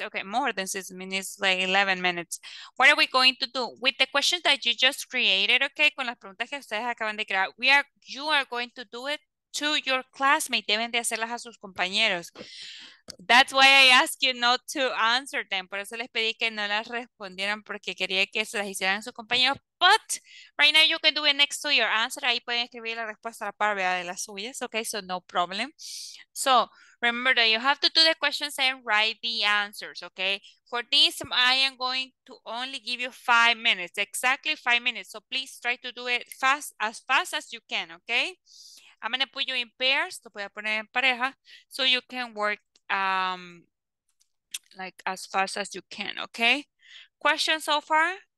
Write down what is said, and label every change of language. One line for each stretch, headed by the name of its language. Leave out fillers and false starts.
English: Okay, more than 6 minutes, like 11 minutes. What are we going to do? With the questions that you just created, okay,
Spanish: con las preguntas que ustedes acaban de crear,
English: you are going to do it to your classmate.
Spanish: Deben de hacerlas a sus compañeros.
English: That's why I asked you not to answer them.
Spanish: Por eso les pedí que no las respondieran porque quería que se las hicieran a sus compañeros.
English: But right now you can do it next to your answer.
Spanish: Ahí pueden escribir la respuesta a la par de las suyas.
English: Okay, so no problem. So remember that you have to do the questions and write the answers, okay? For this, I am going to only give you 5 minutes, exactly 5 minutes. So please try to do it fast as you can, okay? I'm going to put you in pairs,
Spanish: te voy a poner en pareja,
English: so you can work like as fast as you can, okay? Questions so far?